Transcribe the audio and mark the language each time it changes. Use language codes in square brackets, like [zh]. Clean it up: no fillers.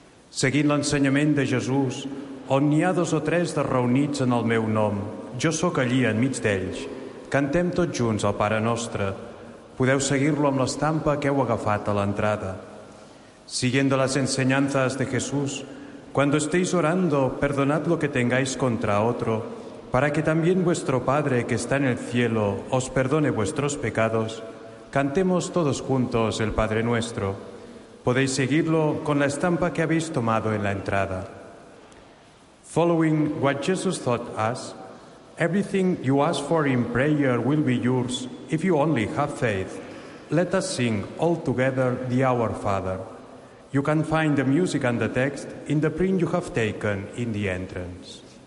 [ca] Seguint l'ensenyament de Jesús, on n'hi ha dos o tres de reunits en el meu nom, jo sóc allí enmig d'ells. Cantem tots junts el Pare Nostre. Podeu seguir-lo amb l'estampa que heu agafat a l'entrada. [es] Siguiendo las enseñanzas de Jesús, cuando estéis orando, perdonad lo que tengáis contra otro, para que también vuestro Padre que está en el cielo os perdone vuestros pecados, cantemos todos juntos el Padre Nuestro. Podéis seguirlo con la estampa que habéis tomado en la entrada. [en] Following what Jesus taught us, everything you ask for in prayer will be yours if you only have faith. Let us sing all together the Our Father. You can find the music and the text in the print you have taken in the entrance.